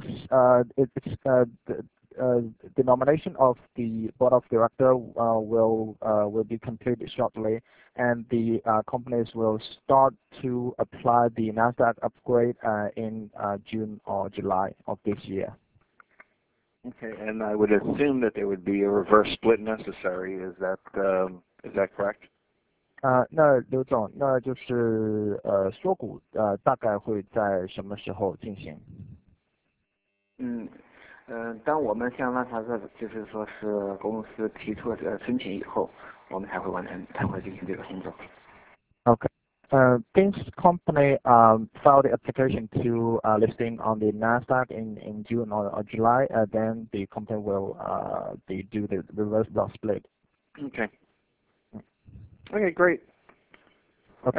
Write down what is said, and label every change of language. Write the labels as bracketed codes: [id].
[en] The nomination of the board of director will be completed shortly, and the companies will start to apply the NASDAQ upgrade in June or July of this year. Okay, and I would assume that there would be a reverse split necessary. Is that correct? [zh] 那刘总，那就是缩股大概会在什么时候进行？当我们向纳斯达克就是说是公司提出了这个申请以后，我们才会完成，才会进行这个工作。 [en] Okay. This company filed the application to listing on the NASDAQ in June or July. Then the company will do the reverse stock split. Okay. Okay. Great. Okay.